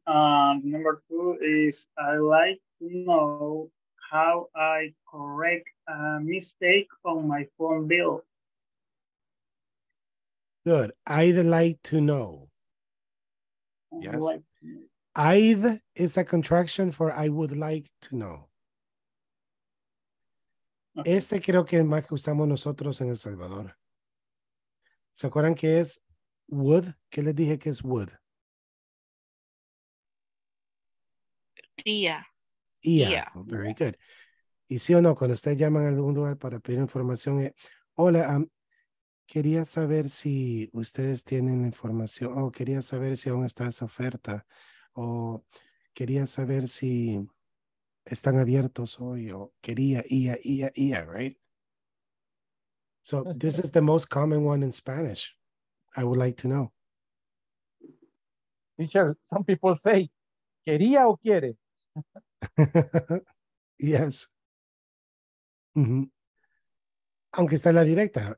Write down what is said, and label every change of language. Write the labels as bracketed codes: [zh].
[en] Number two is I like to know how I correct a mistake on my phone bill. Good. I'd like to know. Yes. I'd is a contraction for I would like to know. Okay. [es] Creo que es más que usamos nosotros en El Salvador. ¿Se acuerdan que es would? ¿Qué les dije que es would? [en] Yeah. Yeah. Oh, very good. [es] Y sí o no, cuando ustedes llaman a algún lugar para pedir información, hola, quería saber si ustedes tienen información, o quería saber si aún está esa oferta, o quería saber si están abiertos hoy, o quería, right? [en] So this is the most common one in Spanish. I would like to know. Teacher, some people say, [es] quería o quiere? [en] Yes. [es] Mm-hmm. Aunque está en la directa.